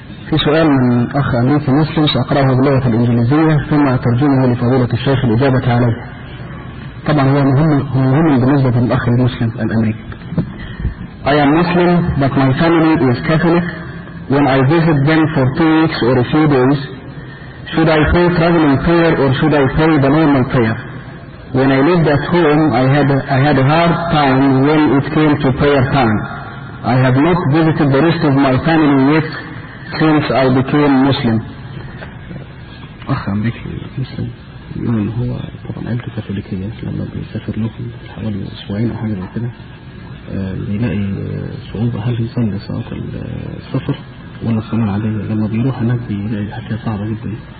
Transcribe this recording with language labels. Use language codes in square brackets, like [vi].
[ar] في سؤال من أخ أمريكا مسلم سأقرأه باللغة الإنجليزية ثم أترجمه لفضيلة الشيخ الإجابة عليه. طبعا هو مهم بالنسبة للأخ المسلم الأمريكي. [en] I am Muslim but my family is Catholic. When I visit them for 2 weeks or a few days, should I pay traveling fare or should I pay the normal fare? When I lived at home, I had a hard time when it came to prayer time. I have not visited the rest of my family yet since I became Muslim. [ar] أخ أمريكي مسلم يقول هو طبعا عائلته كاثوليكية، لما بيسافر لهم حوالي أسبوعين أو حاجة زي كده بيلاقي صعوبة، هل يصلي صلاة السفر ولا الصلاة العادية؟ لما بيروح هناك بيلاقي حكاية صعبة جدا.